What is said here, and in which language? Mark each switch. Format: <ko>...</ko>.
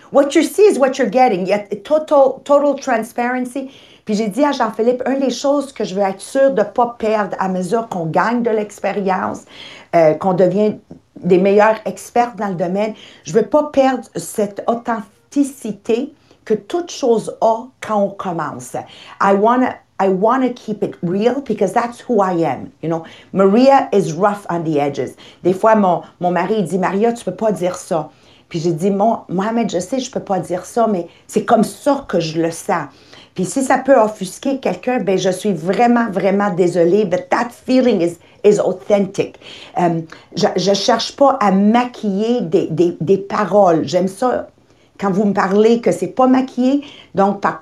<en>What you see is what you're getting.</en> <fr>Il y a</fr> <en>total transparency.</en> <fr>Puis j'ai dit à Jean-Philippe, une des choses que je veux être sûre de ne pas perdre à mesure qu'on gagne de l'expérience, qu'on devient des meilleurs experts dans le domaine, je ne veux pas perdre cette authenticité que toute chose a quand on commence.</fr> <en>I wanna keep it real because that's who I am. You know, Maria is rough on the edges.</en> <fr>Des fois, mon mari dit, Maria, tu peux pas dire ça. Puis j'ai dit, Mohamed, je sais, je peux pas dire ça, mais c'est comme ça que je le sens. Puis si ça peut offusquer quelqu'un, ben je suis vraiment, vraiment désolée,</fr> <en>but that feeling is authentic.</en> <fr>Je cherche pas à maquiller des paroles. J'aime ça. Quand vous me parlez que c'est pas maquillé, donc</fr>